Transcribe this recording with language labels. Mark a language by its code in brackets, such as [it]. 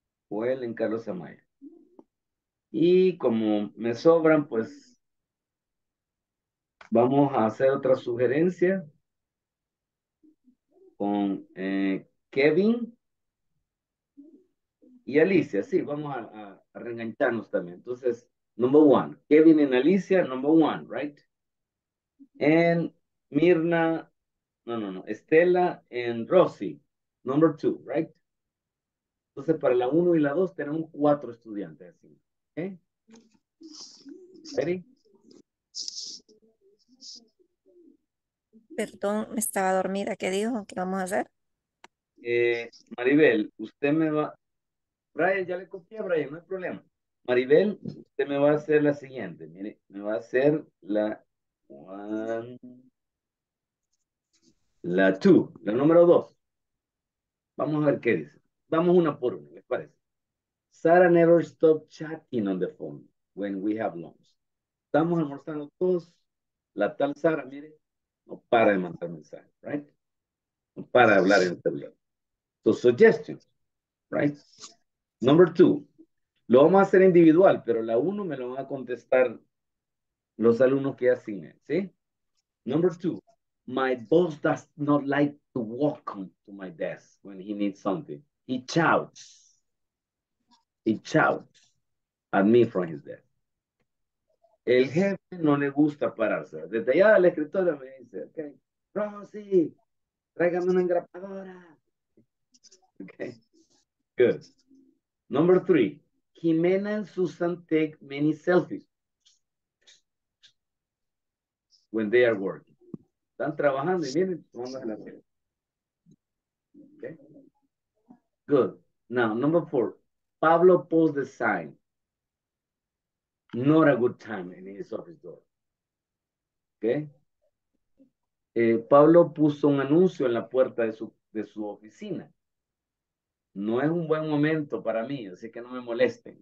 [en] Joel and Carlos Amaya. [es] Y como me sobran, pues vamos a hacer otra sugerencia con Kevin y Alicia. Sí, vamos a reengancharnos también. [en] Entonces, number one, Kevin and Alicia, number one, right? And Mirna, no, Estela and Rosy, number two, right? [es] Entonces, para la uno y la dos, tenemos cuatro estudiantes, así. [en] Okay. Ready? [es] Perdón, me estaba dormida. ¿Qué dijo? ¿Qué vamos a hacer? Maribel, usted me va. Brian, ya le copié a Brian, no hay problema. Maribel, usted me va a hacer la siguiente. Mire, me va a hacer la one, la two, la número dos. Vamos a ver qué dice. Vamos una por una, ¿les parece? [en] Sara never stopped chatting on the phone when we have lunch. [es] Estamos almorzando todos. La tal Sara, mire, no para de mandar mensajes, right? No para de hablar en el celular. [en] So, suggestions, right? Number two. [es] Lo vamos a hacer individual, pero la uno me lo van a contestar los alumnos que asignen, ¿sí? [en] Number two. My boss does not like to walk to my desk when he needs something. He shouts. He shouts at me from his desk. [es] El jefe no le gusta pararse. Desde allá al escritorio me dice, okay, Rosy, tráigame una engrapadora. [en] Okay, good. Number three, Jimena and Susan take many selfies when they are working. [es] Están trabajando y vienen tomando la selfie. [en] Okay, good. Now, number four. Pablo pulls the sign. Not a good time in his office door. Okay. [es] Pablo puso un anuncio en la puerta de su oficina. No es un buen momento para mí, así que no me molesten.